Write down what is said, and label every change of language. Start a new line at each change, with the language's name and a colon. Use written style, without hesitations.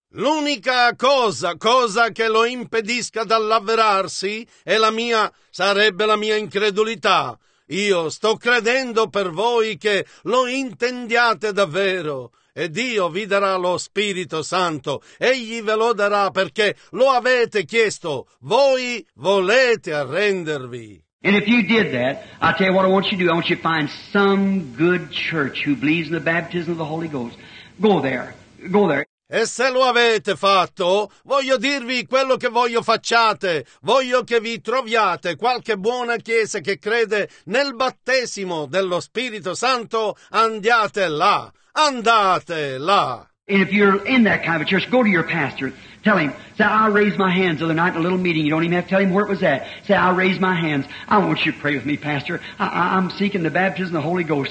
Italian: L'unica cosa che lo impedisca dall'avverarsi è sarebbe la mia incredulità. Io sto credendo per voi che lo intendiate davvero. E Dio vi darà lo Spirito Santo. Egli ve lo darà perché lo avete chiesto. Voi volete arrendervi.
English: And if you did that, I tell you what I want you to do. I want you to find some good church who believes in the baptism of the Holy Ghost. Go there. Go there.
Italian: E se lo avete fatto, voglio dirvi quello che voglio facciate. Voglio che vi troviate qualche buona chiesa che crede nel battesimo dello Spirito Santo. Andate là. Andate là.
English: And if you're in that kind of a church, go to your pastor. Tell him, say, I raised my hands the other night in a little meeting. You don't even have to tell him where it was at. Say, I raised my hands. I want you to pray with me, pastor. I'm seeking the baptism of the Holy Ghost.